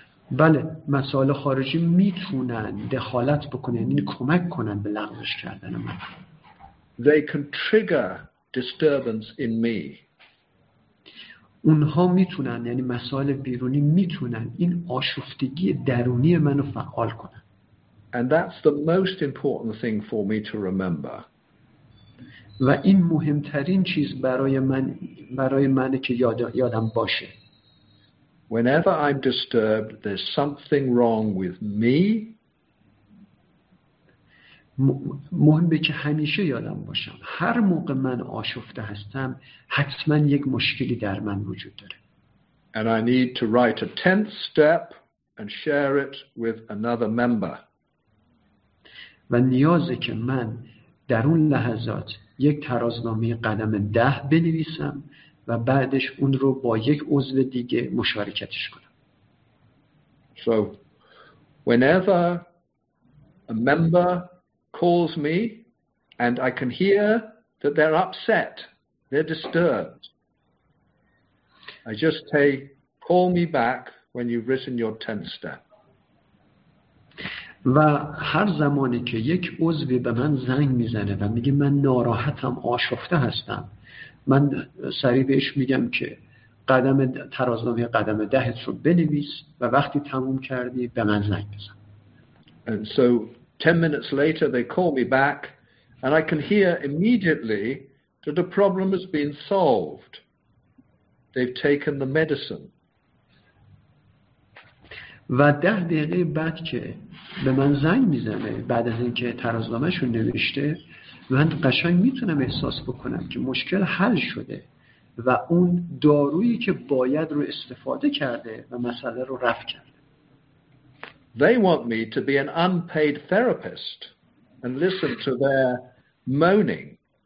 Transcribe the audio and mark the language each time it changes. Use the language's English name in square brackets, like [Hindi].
[Persian] بله، مسائل خارجی میتونن دخالت بکنن، یعنی کمک کنن به لغزش کردن من. [English] They can trigger disturbance in me. [Persian] اونها میتونن، یعنی مسائل بیرونی میتونن این آشفتگی درونی منو فعال کنن. [English] And that's the most important thing for me to remember. [Persian] و این مهمترین چیز برای من که یادم باشه. [English] Whenever I'm disturbed, there's something wrong with me. [Persian] مهمه که همیشه یادم باشم هر موقع من آشفته هستم حتما یک مشکلی در من وجود داره. [English] And I need to write a 10th step and share it with another member. [Persian] و نیازه که من در اون لحظات یک ترازنامه قدم 10 بنویسم و بعدش اون رو با یک عضو دیگه مشارکتش کنم. [English] So whenever a member calls me and I can hear that they're upset, they're disturbed, I just say, call me back when you've written your 10th step. [Persian] و هر زمانی که یک عضوی به من زنگ میزنه و میگه من ناراحتم، آشفته هستم، من سریع بهش میگم که قدم ترازنامه قدم 10 رو بنویس و وقتی تموم کردی به من زنگ بزن. [English] And so 10 minutes later they call me back and I can hear immediately that the problem has been solved. They've taken the medicine. [Persian] و 10 دقیقه بعد که به من زنگ میزنه بعد از اینکه ترازنامه‌شون نوشته، من قشنگ میتونم احساس بکنم که مشکل حل شده و اون دارویی که باید رو استفاده کرده و مسئله رو رفع کرده. [English] They want me to be an unpaid therapist and listen to their moaning.